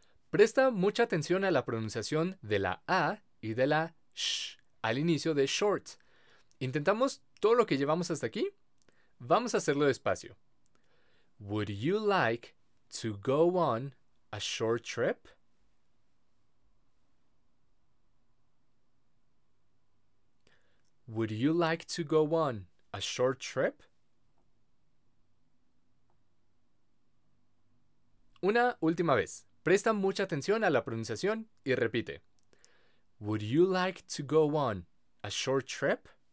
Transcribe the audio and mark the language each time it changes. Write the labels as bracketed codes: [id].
[es] Presta mucha atención a la pronunciación de la A y de la sh al inicio de short. ¿Intentamos todo lo que llevamos hasta aquí? Vamos a hacerlo despacio. [en] Would you like to go on a short trip? Would you like to go on a short trip? [es] Una última vez. Presta mucha atención a la pronunciación y repite. [en] Would you like to go on a short trip?